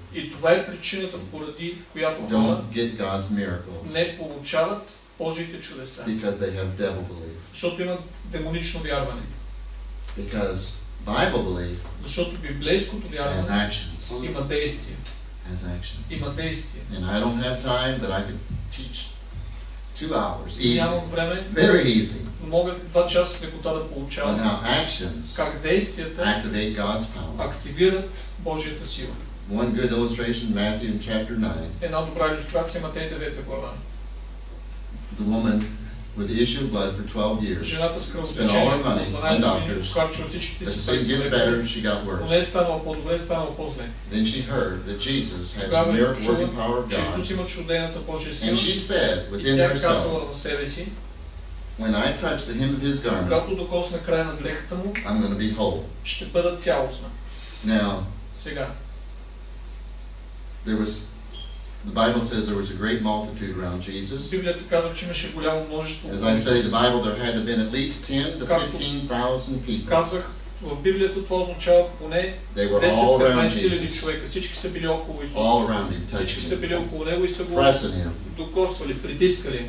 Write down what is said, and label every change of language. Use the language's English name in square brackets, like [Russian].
[Bulgarian] И това е причината, поради която [English] don't get God's miracles. [Bulgarian] Не получават Божиите чудеса. [English] Because they have devil belief. [Bulgarian] Защото имат демонично вярване. [English] Because Bible belief. [Bulgarian] Защото библейското вярване [English] has actions. [Bulgarian] Има действия. [English] Has actions. [Bulgarian] Има действия. [English] And I don't have time, but I could teach 2 hours. Easy. [Bulgarian] Нямам време. [English] Very easy. [Bulgarian] Мога 2 часа лекота да получавам. [English] Now actions. [Bulgarian] Как действията [English] activate God's power. [Bulgarian] Активират Божията сила. [English] One good illustration, Matthew chapter 9. [Bulgarian] Една добра илюстрация, Матей 9 глава. [English] The woman with the issue of blood for 12 years. [Bulgarian] Жената с кръвотечение. [English] Spent all her money on doctors. [Bulgarian] Харчила всичките си [English] пари. Get better, she got worse. [Bulgarian] Не станало по-добре, станало по-зле. [English] Then she heard that Jesus had the miracle-working power of God. [Bulgarian] Исус има чудената Божия сила. [English] And she said within herself, when I touch the hem of His garment, [Bulgarian] когато докосна края на дрехата му, [English] I'm going to be whole. [Bulgarian] Ще бъда цялостна. [English] Now, [Bulgarian] сега. [English] There was. The Bible says there was a great multitude around Jesus. [Bulgarian] Казва, че имаше голямо множество. [English] As I say, the Bible, there had to have been at least 10,000 to 15,000 people. [Bulgarian] Казвах, в Библията това означава поне 10,000 to 15,000 човека. Всички са били около Исус. [English] All around him, touching [Bulgarian] всички са били около него и са го докосвали, притискали.